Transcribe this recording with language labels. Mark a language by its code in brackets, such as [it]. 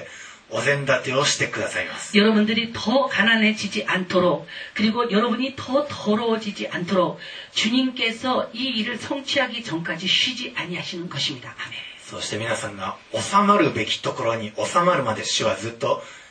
[ja] 皆さんが貧しくならないように汚くならないようにと主の方が心配してあれこれお膳立てをしてくださいます. [ko] 여러분들이 더 가난해지지 않도록 그리고 여러분이 더 더러워지지 않도록 주님께서 이 일을 성취하기 전까지 쉬지 아니하시는 것입니다. 아멘. [ja] そして皆さんが収まるべきところに収まるまで主はずっと